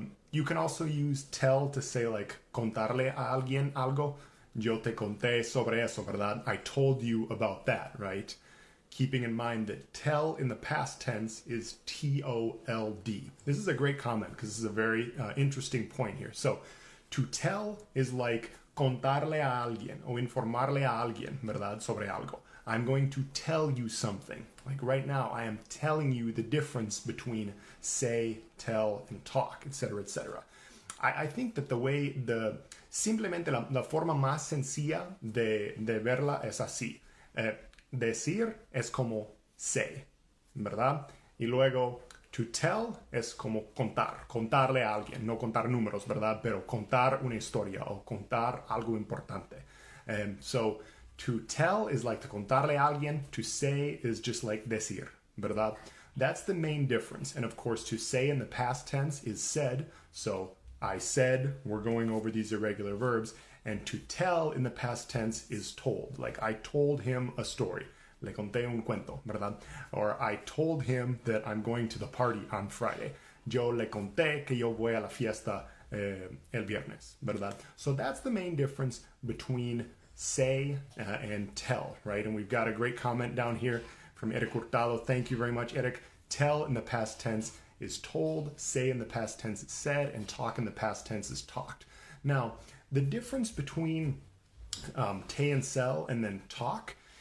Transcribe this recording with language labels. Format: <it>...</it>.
<en>You can also use tell to say, like,</en> <es>contarle a alguien algo. Yo te conté sobre eso, ¿verdad?</es> <en>I told you about that, right? Keeping in mind that tell in the past tense is T-O-L-D. This is a great comment because this is a very interesting point here. So to tell is like</en> <es>contarle a alguien o informarle a alguien, ¿verdad? Sobre algo.</es> <en>I'm going to tell you something. Like right now, I am telling you the difference between say, tell, and talk, etc., etc. I think that the way, the</en> <es>simplemente la forma más sencilla de verla es así. Decir es como say, ¿verdad? Y luego, to tell es como contar, contarle a alguien, no contar números, ¿verdad? Pero contar una historia o contar algo importante.</es> <en>So to tell is like to</en> <es>contarle a alguien,</es> <en>to say is just like</en> <es>decir, ¿verdad?</es> <en>That's the main difference. And of course, to say in the past tense is said. So I said, we're going over these irregular verbs. And to tell in the past tense is told. Like, I told him a story.</en> <es>Le conté un cuento, ¿verdad?</es> <en>Or I told him that I'm going to the party on Friday.</en> <es>Yo le conté que yo voy a la fiesta el viernes, ¿verdad?</es> <en>So that's the main difference between say and tell, right? And we've got a great comment down here from Eric Hurtado. Thank you very much, Eric. Tell in the past tense is told. Say in the past tense is said. And talk in the past tense is talked. Now, the difference between te and sell and then talk</en>